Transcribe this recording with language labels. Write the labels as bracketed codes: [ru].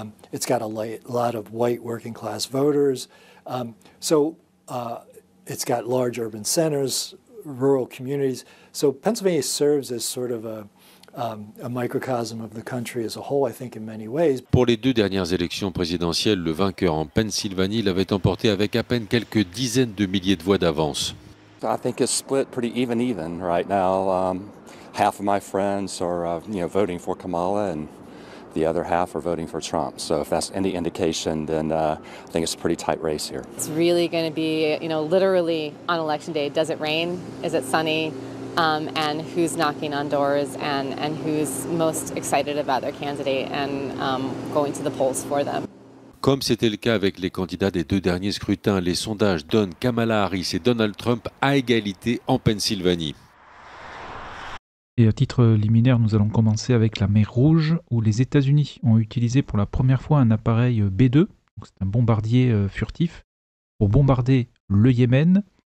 [en] It's got a lot of white working class voters. It's got large urban centers, rural communities. So Pennsylvania serves as sort of a microcosm of the country as a whole, I think, in many ways. [fr] Pour les deux dernières élections présidentielles, le vainqueur en Pennsylvanie l'avait emporté avec à peine quelques dizaines de milliers de voix d'avance. [en] I think it's split pretty even right now. Half of my friends are voting for Kamala and the other half are voting for Trump. So if that's any indication, then I think it's a pretty tight race here. It's really going to be, literally on election day. Does it rain? Is it sunny? And who's knocking on doors and who's most excited about their candidate and going to the polls for them. [fr] Comme c'était le cas avec les candidats des deux derniers scrutins, les sondages donnent Kamala Harris et Donald Trump à égalité en Pennsylvanie. Et à titre liminaire, nous allons commencer avec la mer Rouge, où les États-Unis ont utilisé pour la première fois un appareil B-2, donc c'est un bombardier furtif, pour bombarder le Yémen.